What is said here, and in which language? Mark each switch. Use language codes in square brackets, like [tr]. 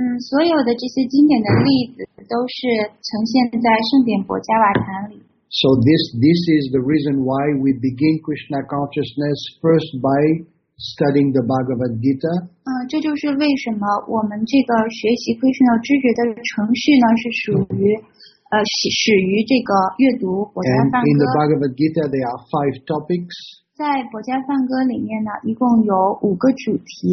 [zh] 所有的这些经典的例子都是呈现在圣典博迦瓦坛里。 [en] So this is the reason why we begin Krishna consciousness first by studying the Bhagavad Gita. [zh] 这就是为什么我们这个学习 Krishna 知觉的程序呢是属于始于这个阅读博迦梵歌。 [en] And in the Bhagavad Gita, there are 5 topics. [zh] 在《博迦梵歌》里面呢，一共有五个主题。